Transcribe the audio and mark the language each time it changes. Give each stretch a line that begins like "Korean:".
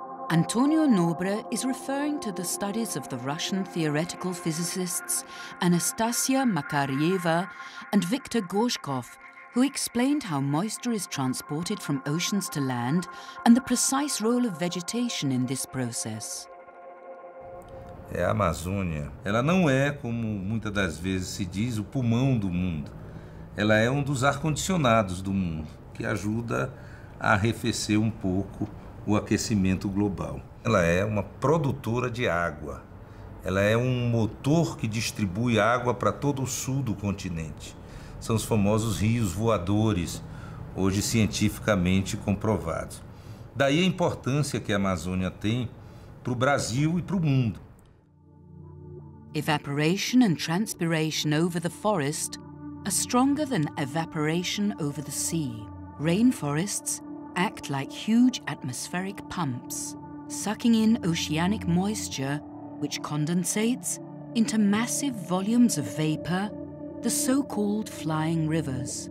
English: Antonio Nobre is referring to the studies of the Russian theoretical physicists Anastasia Makarieva and Viktor Gorshkov, who explained how moisture is transported from oceans to land and the precise role of vegetation in this process.
Portuguese: A Amazônia, ela não é, como muitas das vezes se diz, o pulmão do mundo. Ela é um dos ar-condicionados do mundo, que ajuda a arrefecer um pouco o aquecimento global. Ela é uma produtora de água. Ela é um motor que distribui água para todo o sul do continente. São os famosos rios voadores, hoje cientificamente comprovados. Daí a importância que a Amazônia tem para o Brasil e para o mundo.
English: Evaporation and transpiration over the forest are stronger than evaporation over the sea. Rainforests act like huge atmospheric pumps, sucking in oceanic moisture, which condensates into massive volumes of vapor, the so-called flying rivers.